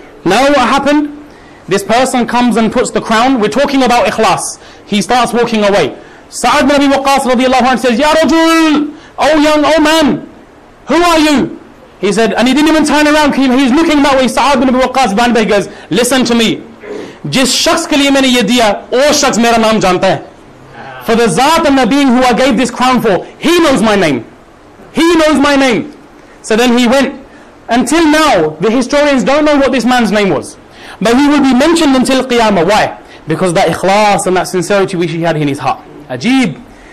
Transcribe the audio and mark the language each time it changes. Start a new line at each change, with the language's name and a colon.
English: Now what happened? This person comes and puts the crown. We're talking about ikhlas. He starts walking away. Sa'ad bin Abi Waqqas radiallahu anhu says, Ya Rajul! Oh young, oh man! Who are you? He said, and he didn't even turn around, he's looking that way. Sa'ad bin Abi Waqqas Banbay goes, listen to me.
Urdu: جس شخص کے لیے میں نے یہ دیا، او شخص میرا نام جانتا ہے۔
English: For the Zaat and the being who I gave this crown for, he knows my name. He knows my name. So then he went. Until now, the historians don't know what this man's name was. But he will be mentioned until Qiyamah. Why? Because that ikhlas and that sincerity which he had in his heart. Ajib.